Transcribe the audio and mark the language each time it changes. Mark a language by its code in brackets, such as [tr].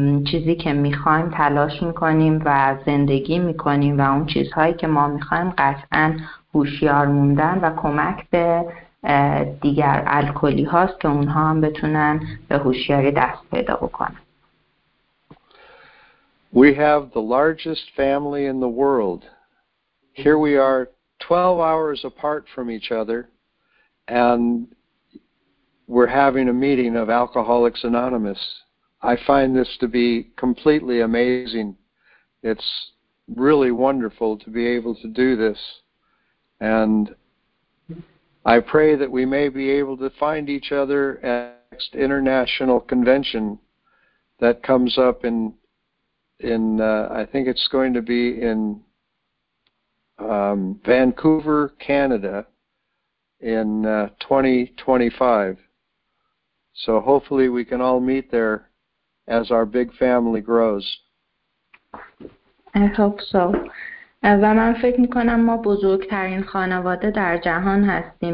[fa] چیزی که میخوایم تلاش میکنیم و زندگی میکنیم و اون چیزهایی که ما میخوایم قطعا هوشیار موندن و کمک به دیگر الکلی هاست که اونها هم بتونن به هوشیاری دست پیدا بکنن. [en] We have the largest family in the world. Here we are 12 hours apart from each other and we're having a meeting of Alcoholics Anonymous. I find this to be completely amazing. It's really wonderful to be able to do this. And I pray that we may be able to find each other at the next international convention that comes up I think it's going to be in Vancouver, Canada in 2025. So hopefully we can all meet there as our big family grows. I hope so. [fa] و من فکر میکنم ما بزرگترین خانواده در جهان هستیم.